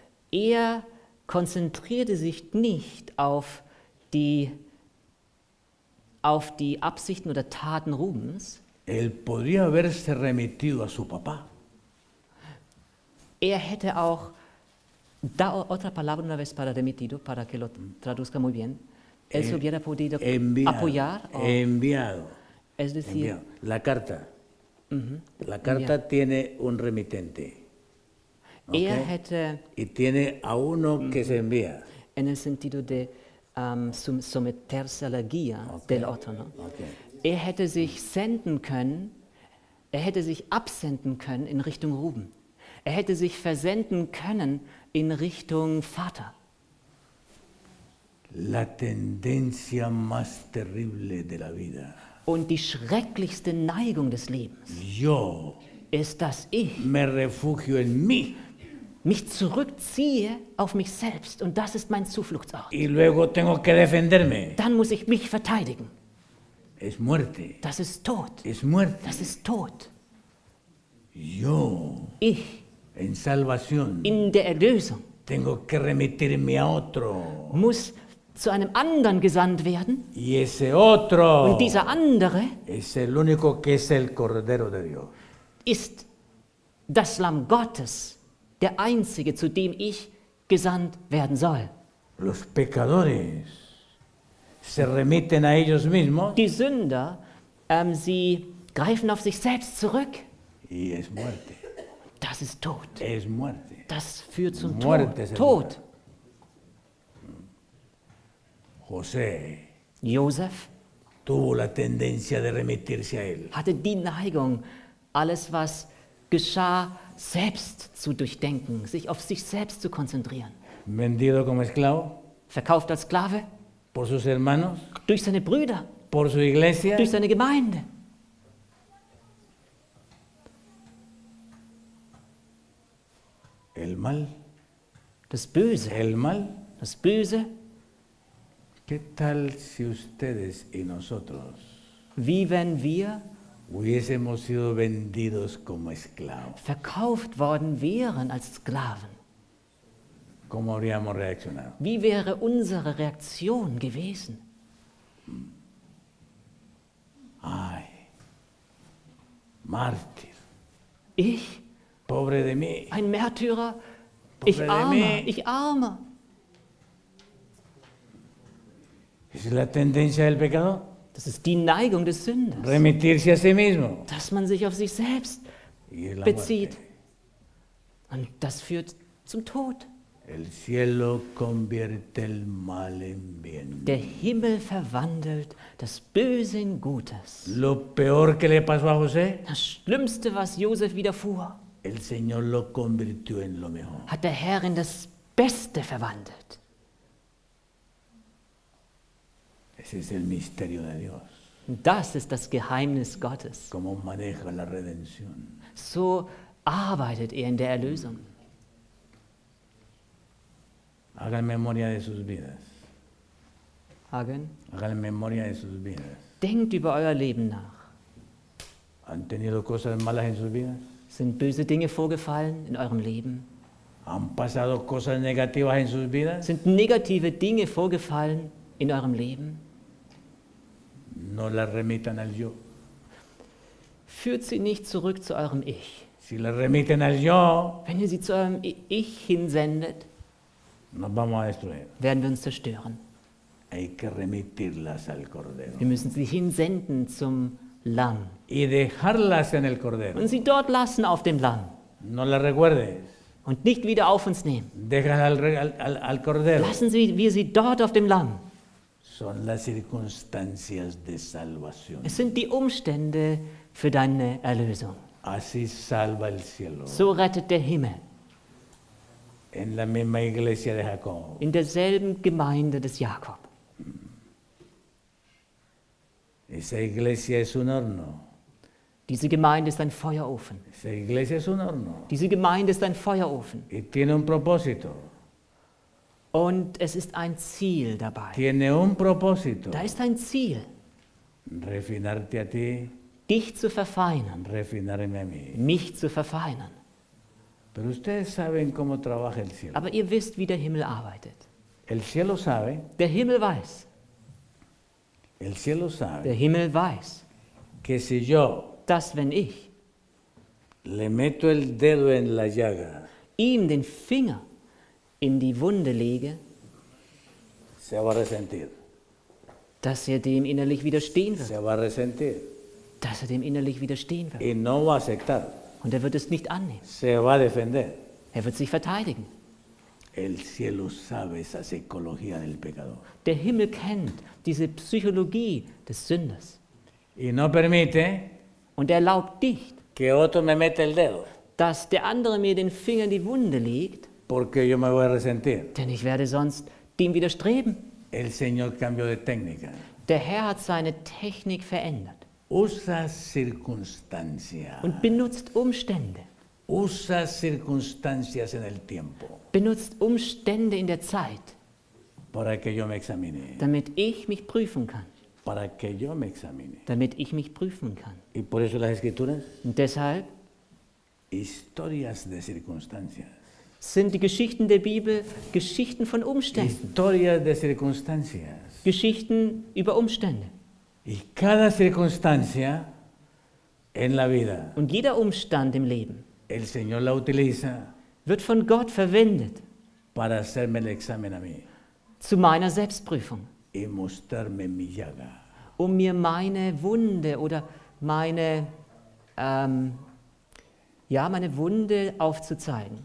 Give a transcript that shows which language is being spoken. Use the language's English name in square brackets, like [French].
[German] Er konzentrierte sich nicht auf die Absichten oder Taten Rubens. [Spanish] Él podía haberse remitido a su papá. [German] Er hätte auch da [Spanish] otra palabra una vez para remitido para que lo traduzca muy bien. Él se hubiera podido enviado, apoyar. O, enviado. Es decir, enviado. La carta. La carta tiene un remitente. Okay? Er hätte, y tiene a uno que se envía. En el sentido de someterse a la guía del otro. No? Okay. [German] Er hätte sich senden können, er hätte sich absenden können in Richtung Ruben. Er hätte sich versenden können in Richtung Vater. [Spanish] La tendencia más terrible de la vida. [German] Und die schrecklichste Neigung des Lebens [Spanish] yo [German] ist, dass ich [Spanish] me refugio en mí. [German] Mich zurückziehe auf mich selbst und das ist mein Zufluchtsort. [Spanish] Y luego tengo que defenderme. [German] Dann muss ich mich verteidigen. [Spanish] Es muerte. [German] Das ist Tod. [Spanish] Es muerte. [German] Das ist Tod. [Spanish] Yo [German] ich [Spanish] en salvación [German] in der Erlösung [Spanish] tengo que remitirme a otro. [German] Muss zu einem anderen gesandt werden. [Spanish] Y ese otro [German] und dieser andere [Spanish] es el único que es el Cordero de Dios. [German] Ist das Lamm Gottes, der Einzige, zu dem ich gesandt werden soll. [Spanish] Los pecadores se remiten a ellos mismos. [German] Die Sünder, sie greifen auf sich selbst zurück. [Spanish] Y es muerte. [German] Das ist Tod. [Spanish] Es muerte. [German] Das führt zum [Spanish] muerte [German] Tod. Tod. [Spanish] José [German] Josef [Spanish] tuvo la tendencia de remitirse a él. [German] Hatte die Neigung, alles, was geschah, selbst zu durchdenken, sich auf sich selbst zu konzentrieren. [Spanish] Vendido como esclavo, [German] verkauft als Sklave, [Spanish] por sus hermanos, [German] durch seine Brüder, [Spanish] por su iglesia, [German] durch seine Gemeinde. [Spanish] El mal, [German] das Böse. [Spanish] El mal, [German] das Böse. [Spanish] ¿Qué tal si ustedes y nosotros? [German] Wie wenn wir [Spanish] hubiésemos sido vendidos como esclavos. [German] Verkauft worden wären als Sklaven. [Spanish] ¿Cómo habríamos reaccionado? [German] Wie wäre unsere Reaktion gewesen? [Spanish] Ay, mártir. [German] Ich? [Spanish] Pobre de mí. [German] Ein Märtyrer. [Spanish] Pobre [German] ich arme. [Spanish] De mí. [German] Ich arme. [Spanish] Es la tendencia del pecado. [German] Das ist die Neigung des Sünders. [Spanish] Remitirse a sí mismo. [German] Dass man sich auf sich selbst bezieht. Und das führt zum Tod. [Spanish] El cielo convierte el mal en bien. [German] Der Himmel verwandelt das Böse in Gutes. [Spanish] Lo peor que le pasó a José. [German] Das Schlimmste, was Josef widerfuhr. [Spanish] El Señor lo convirtió en lo mejor. [German] Hat der Herr in das Beste verwandelt. [Spanish] Ese es el misterio de Dios. [German] Das ist das Geheimnis Gottes. [Spanish] Como maneja la redención. [German] So arbeitet er in der Erlösung. [Spanish] Hagan memoria de sus vidas. [German] sagen. [Spanish] Hagan memoria de sus vidas. [German] Denkt über euer Leben nach. [Spanish] Han tenido cosas malas en sus vidas? [German] Sind böse Dinge vorgefallen in eurem Leben? [Spanish] Han pasado cosas negativas en sus vidas? [German] Sind negative Dinge vorgefallen in eurem Leben? [Spanish] No la remitan al yo. [German] Führt sie nicht zurück zu eurem Ich. [Spanish] Si la remiten al yo, [German] wenn ihr sie zu eurem Ich hinsendet, [Spanish] nos vamos a destruir. [German] Werden wir uns zerstören. [Spanish] Hay que remitirlas al Cordero. [German] Wir müssen sie hinsenden zum Lamm. [Spanish] Y dejarlas en el Cordero. [German] Und sie dort lassen auf dem Lamm. [Spanish] No la recuerdes. [German] Und nicht wieder auf uns nehmen. [Spanish] Dejala al Cordero. [German] Lassen sie wir sie dort auf dem Lamm. [Spanish] Son las circunstancias de salvación. [German] Es sind die Umstände für deine Erlösung. [Spanish] Así salva el cielo. [German] So rettet der Himmel. [Spanish] En la misma iglesia de Jacob. [German] In derselben Gemeinde des Jakob. [Spanish] Esa iglesia es un horno. [German] Diese Gemeinde ist ein Feuerofen. [Spanish] Esa iglesia es un horno. [German] Diese Gemeinde ist ein Feuerofen. [Spanish] Y tiene un propósito. [German] Und es ist ein Ziel dabei. [Spanish] Tiene un propósito. [German] Da ist ein Ziel. [Spanish] Refinarte a ti. [German] Dich zu verfeinern. [Spanish] Refinarme a mí. [German] Mich zu verfeinern. [Spanish] Pero ustedes saben cómo trabaja el cielo. [German] Aber ihr wisst, wie der Himmel arbeitet. [Spanish] El cielo sabe. [German] Der Himmel weiß. [Spanish] El cielo sabe. [German] Der Himmel weiß. [Spanish] Que si yo, [German] dass wenn ich, [Spanish] le meto el dedo en la llaga, [German] ihm den Finger in die Wunde lege, [Spanish] se va a resentir. [German] Dass er dem innerlich widerstehen wird. [Spanish] Se va a resentir. [German] Dass er dem innerlich widerstehen wird. [Spanish] Y no va a aceptar. [German] Und er wird es nicht annehmen. [Spanish] Se va a defender. [German] Er wird sich verteidigen. [Spanish] El cielo sabe esa psicología del pecador. [German] Der Himmel kennt diese Psychologie des Sünders. [Spanish] Y no permite, [German] und er erlaubt nicht, [Spanish] que otro me mete el dedo, [German] dass der andere mir den Finger in die Wunde legt, [Spanish] porque yo me voy a resentir. [German] Denn ich werde sonst dem widerstreben. [Spanish] El Señor cambió de técnica. [German] Der Herr hat seine Technik verändert. [Spanish] Usa circunstancias. [German] Und benutzt Umstände. [Spanish] Usa circunstancias en el tiempo. [German] Benutzt Umstände in der Zeit. [Spanish] Para que yo me examine. [German] Damit ich mich prüfen kann. [Spanish] Para que yo me examine. [German] Damit ich mich prüfen kann. [Spanish] Y por eso las escrituras. [German] Und deshalb. [Spanish] Historias de circunstancias. [German] Sind die Geschichten der Bibel Geschichten von Umständen. [Spanish] Historias de circunstancias. [German] Geschichten über Umstände. [Spanish] Y cada circunstancia en la vida, [German] und jeder Umstand im Leben, [Spanish] el Señor la utiliza, [German] wird von Gott verwendet, [Spanish] para hacerme el examen a mí, [German] zu meiner Selbstprüfung, [Spanish] y mostrarme mi llaga, [German] um mir meine Wunde oder meine, meine Wunde aufzuzeigen,